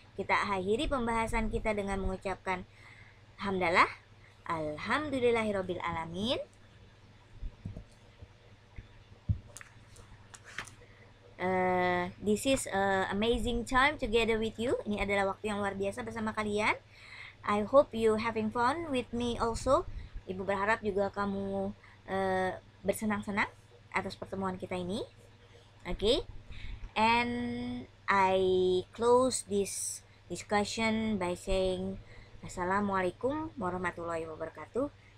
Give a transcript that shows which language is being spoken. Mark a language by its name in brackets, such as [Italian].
[Indonesian] Kita akhiri pembahasan kita dengan mengucapkan hamdalah. [Arabic] Alhamdulillahirabbil alamin. [English] This is amazing time together with you. [Indonesian] Ini adalah waktu yang luar biasa bersama kalian. [English] I hope you having fun with me also. [Indonesian] Ibu berharap juga kamu bersenang-senang atas pertemuan kita ini. [English] Okay. And I close this discussion by saying [Arabic] Assalamualaikum warahmatullahi wabarakatuh.